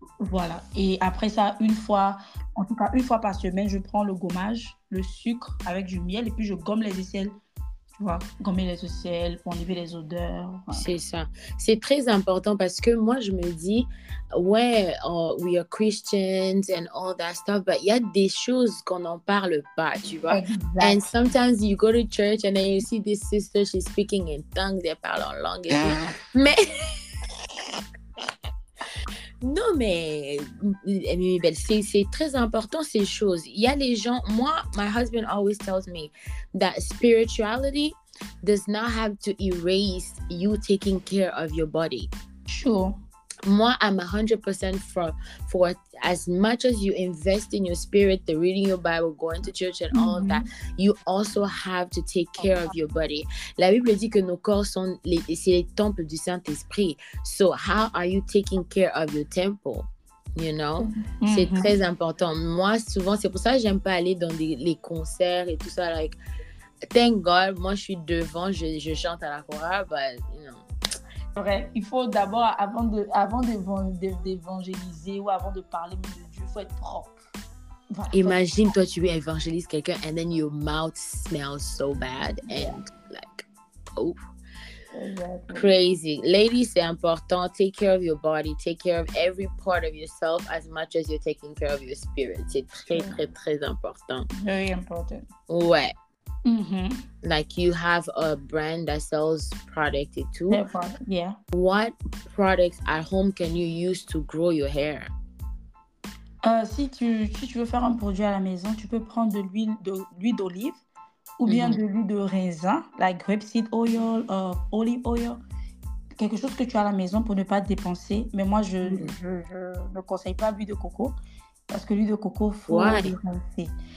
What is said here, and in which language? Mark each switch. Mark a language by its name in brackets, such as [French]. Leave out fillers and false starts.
[French] Voilà, et après ça, une fois, en tout cas une fois par semaine, je prends le gommage, le sucre avec du miel et puis je gomme les aisselles. Gommer les aisselles pour enlever les odeurs. Voilà. C'est ça. C'est très important parce que moi, je me dis, ouais, oh, [English] we are Christians and all that stuff, but [French] il y a des choses qu'on n'en parle pas, tu vois. [English] Exactly. And sometimes you go to church and then you see this sister, she's speaking in tongues, [French] elle parle en langue. [English] Yeah. Mais... [French] non, mais... Mimibelle, c'est très important, ces choses. Il y a les gens... [English] Moi, my husband always tells me that spirituality does not have to erase you taking care of your body. Sure. Moi, I'm 100% for as much as you invest in your spirit, the reading your Bible, going to church and all of that, you also have to take care of your body. [French] La Bible dit que nos corps sont c'est les temples du Saint-Esprit. [English] So how are you taking care of your temple? You know, [French] c'est très important. Moi, souvent, c'est pour ça que j'aime pas aller dans les concerts et tout ça, like... [English] Thank God, [French] moi je suis devant, je chante à la chorale, [English] but you know. [French] Vrai, il faut d'abord, avant d'évangéliser ou avant de parler de Dieu, il faut être propre. Voilà, imagine toi, tu évangélises quelqu'un [English] and then your mouth smells so bad and like, oh. Exactly. Crazy. Ladies, [French] c'est important. [English] Take care of your body. Take care of every part of yourself as much as you're taking care of your spirit. [French] C'est très, très, très important. [English] Very important. [French] Ouais. [English] Like you have a brand that sells product too. Yeah. What products at home can you use to grow your hair? [French] Si tu veux faire un produit à la maison, tu peux prendre de l'huile d'olive ou bien de l'huile de raisin, [English] like grapeseed oil, olive oil, [French] quelque chose que tu as à la maison pour ne pas dépenser. Mais moi, je ne conseille pas l'huile de coco. Parce que l'huile de coco, faut dépenser.